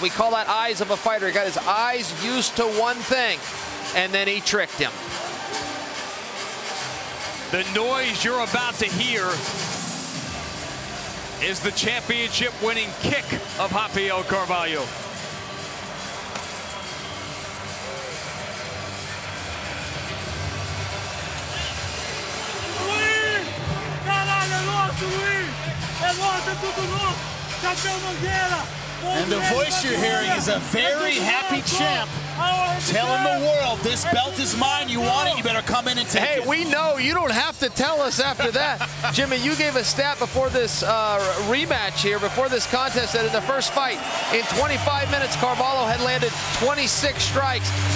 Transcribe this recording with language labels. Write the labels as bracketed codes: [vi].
[en] We call that eyes of a fighter. He got his eyes used to one thing, and then he tricked him. The noise you're about to hear is the championship-winning kick of Rafael Carvalho. [pt] Win! Caralho, é nosso, Win! É nosso, é tudo nosso! [en] And the voice you're hearing is a very happy champ telling the world, this belt is mine. You want it, you better come in and take it. Hey, we know. You don't have to tell us after that. Jimmy, you gave a stat before this rematch here, before this contest, that in the first fight, in 25 minutes, Carvalho had landed 26 strikes.